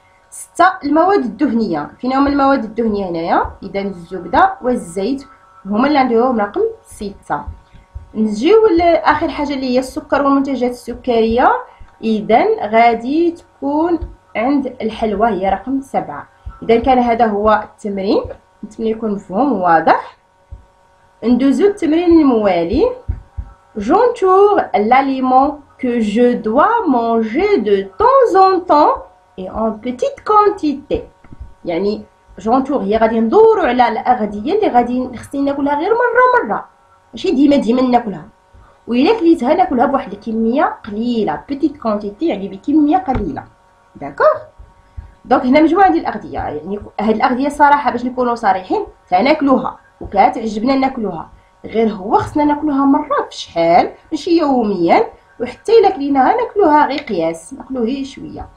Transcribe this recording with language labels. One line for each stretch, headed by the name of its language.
Arabic: ستة، المواد الدهنية، فين هما المواد الدهنية هنايا؟ إذا الزبدة والزيت هما اللي عندهم رقم ستة. نجيو لآخر حاجة اللي هي السكر والمنتجات السكرية، إذا غادي تكون عند الحلوى هي رقم سبعة. إذا كان هذا هو التمرين، نتمنى يكون مفهوم واضح. ندوزو التمرين الموالي.
French: J'entoure l'aliment que je dois manger de temps en temps et en petite quantité.
Arabic: يعني
French: j'entoure
Arabic: هي غادي ندورو على الاغذيه اللي غادي خصني ناكلها غير مره مره، ماشي ديما ديما ناكلها، و الا كليتها ناكلها بواحد الكميه قليله،
French: petite quantité
Arabic: يعني بكميه قليله. داكوغ، دونك هنا مجموعه ديال الاغذيه، يعني هاد الاغذيه صراحه باش نكونوا صريحين كناكلوها وكتعجبنا ناكلوها، غير هو خصنا ناكلوها مره في شحال ماشي يوميا، وحتى الا كليناها ناكلوها غير قياس، ناكلوه غير شويه.